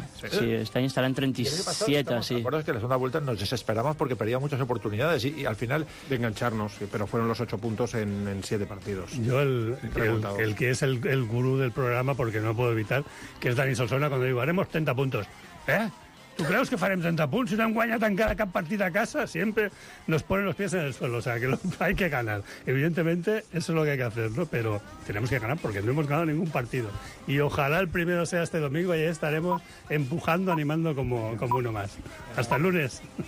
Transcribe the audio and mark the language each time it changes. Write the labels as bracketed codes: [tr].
[es] Sí, este año estará en 37, así. Recuerdas que en la segunda vuelta nos desesperamos porque perdíamos muchas oportunidades y al final... De engancharnos, pero fueron los 8 puntos en 7 partidos. Yo, el que es el gurú del programa, porque no puedo evitar, que es Dani Solsona, cuando digo, haremos 30 puntos. ¿Eh? [ca] ¿Tu creus que farem 30 punts si no hem guanyat encara cap partit a casa? [es] Siempre nos ponen los pies en el suelo, o sea, que hay que ganar. Evidentemente, eso es lo que hay que hacer, ¿no? Pero tenemos que ganar porque no hemos ganado ningún partido. Y ojalá el primero sea este domingo y ahí estaremos empujando, animando como uno más. Hasta el lunes.